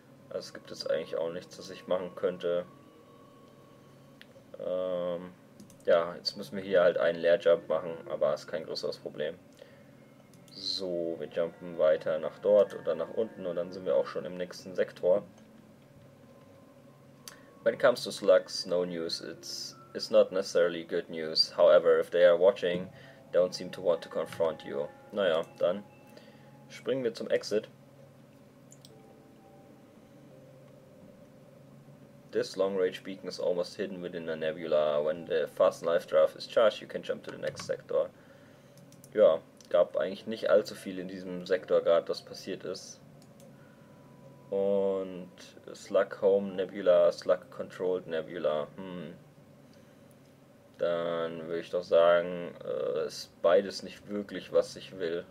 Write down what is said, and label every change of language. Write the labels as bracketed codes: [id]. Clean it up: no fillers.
[de] Also es gibt jetzt eigentlich auch nichts, das ich machen könnte. Ja, jetzt müssen wir hier halt einen Leerjump machen, aber ist kein größeres Problem. So, wir jumpen weiter nach dort oder nach unten und dann sind wir auch schon im nächsten Sektor. [en] When it comes to slugs, no news, it's not necessarily good news. However, if they are watching, don't seem to want to confront you. [de] Naja, dann springen wir zum Exit. [en] This long-range beacon is almost hidden within a nebula. When the fast life draft is charged, you can jump to the next sector. [de] Ja, gab eigentlich nicht allzu viel in diesem Sektor gerade, was passiert ist. Und Slug Home Nebula, Slug Controlled Nebula. Dann würde ich doch sagen, ist beides nicht wirklich, was ich will.